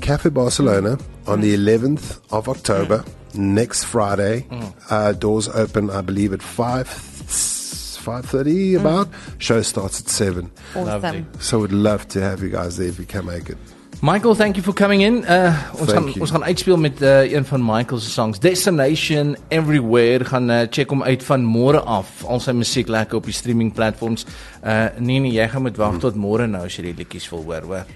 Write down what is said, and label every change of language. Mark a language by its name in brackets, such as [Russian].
[English] Cafe Barcelona on the 11th of October. Next Friday, doors open, I believe, at 5:30 about. Show starts at 7. Awesome. So we'd love to have you guys there if you can make it. Michael, thank you for coming in. [Afrikaans] Ons gaan uitspeel met een van Michael's songs, Destination Everywhere. Gaan check hom uit van môre af. Al sy musiek lekker op die streaming platforms. Nee, jy gaan moet wag tot môre nou as jy die liedjies wil hoor, hoor.